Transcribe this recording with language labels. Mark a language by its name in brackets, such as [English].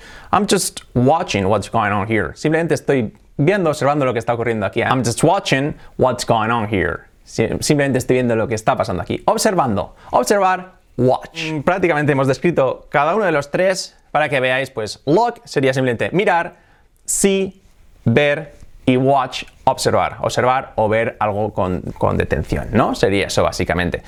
[English] I'm just watching what's going on here. [Spanish] Simplemente estoy viendo, observando lo que está ocurriendo aquí. [English] I'm just watching what's going on here. [Spanish] Simplemente estoy viendo lo que está pasando aquí. Observando. Observar, watch. Prácticamente hemos descrito cada uno de los tres para que veáis, pues, look sería simplemente mirar, see, ver, y watch, observar. Observar o ver algo con detención, ¿no? Sería eso, básicamente.